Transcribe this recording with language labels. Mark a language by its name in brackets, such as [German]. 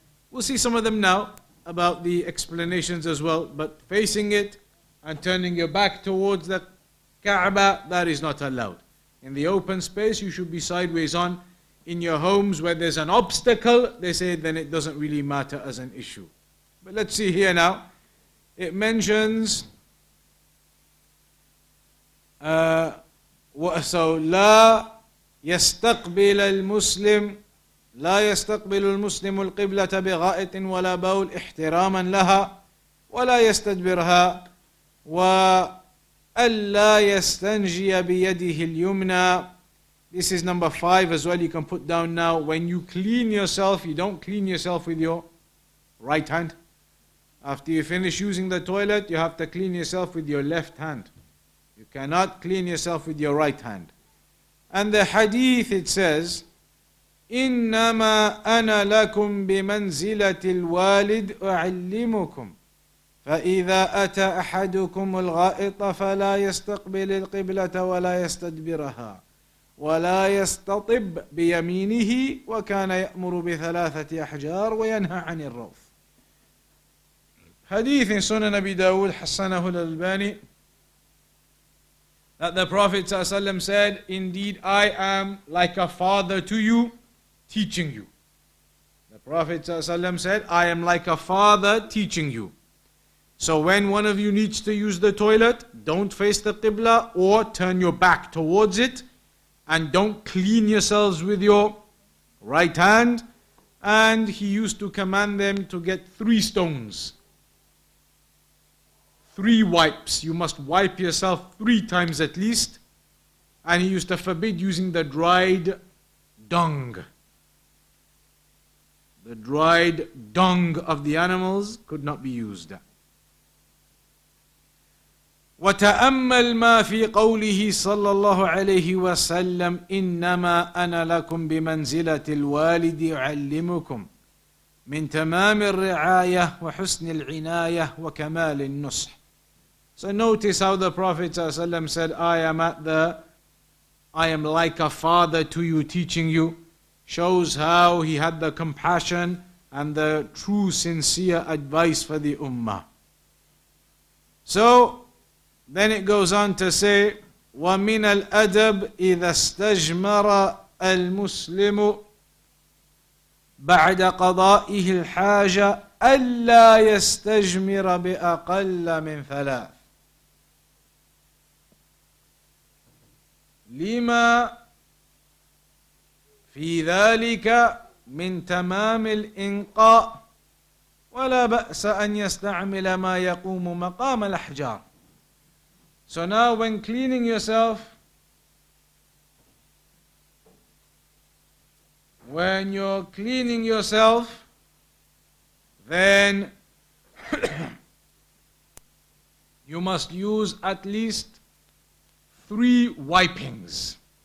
[English] We'll see some of them now about the explanations as well. But facing it and turning your back towards the Kaaba, that is not allowed. In the open space, you should be sideways on. In your homes where there's an obstacle, they say, then it doesn't really matter as an issue. But let's see here now. It mentions, so [Arabic] لا يستقبل المسلم لا يستقبل المسلم القبلة بغائط ولا بول احتراما لها ولا يستدبرها وألا يستنجي بيده اليمنى. [English] This is number 5 as well. You can put down now. When you clean yourself, you don't clean yourself with your right hand. After you finish using the toilet, you have to clean yourself with your left hand. You cannot clean yourself with your right hand. And the hadith, it says, [Arabic] إنما أنا لكم بمنزلة الوالد أعلمكم فإذا أتى أحدكم الغائط فلا يستقبل القبلة ولا يستدبرها ولا يستطب بيمينه وكان يأمر بثلاثة أحجار وينهى عن الروف. [English] Hadith in Sunan Abi Dawud, [Arabic] حسنه الألباني, [English] that the Prophet ﷺ said, indeed I am like a father to you, teaching you. The Prophet ﷺ said, I am like a father teaching you. So when one of you needs to use the toilet, don't face the Qibla or turn your back towards it, and don't clean yourselves with your right hand. And he used to command them to get 3 stones. 3 wipes. You must wipe yourself 3 times at least. And he used to forbid using the dried dung. The dried dung of the animals could not be used. [Arabic] وتأمل ما في قوله صلى الله عليه وسلم إنما أنا لكم بمنزلة الوالد أعلمكم من تمام الرعاية وحسن العناية وكمال النصح. [English] So notice how the Prophet ﷺ said, I am like a father to you, teaching you. Shows how he had the compassion and the true, sincere advice for the ummah. So then it goes on to say, [Arabic] وَمِنَ الْأَدَبِ إِذَا اسْتَجْمَرَ الْمُسْلِمُ بَعْدَ قَضَائِهِ الْحَاجَةِ أَلَّا يَسْتَجْمِرَ بِأَقَلَّ مِنْ ثَلَاثٍ. لما في ذلك من تمام الإنقاء ولا بأس أن يستعمل ما يقوم مقام الأحجار. [English] So now when cleaning yourself, when you're cleaning yourself, then you must use at least 3 wipings.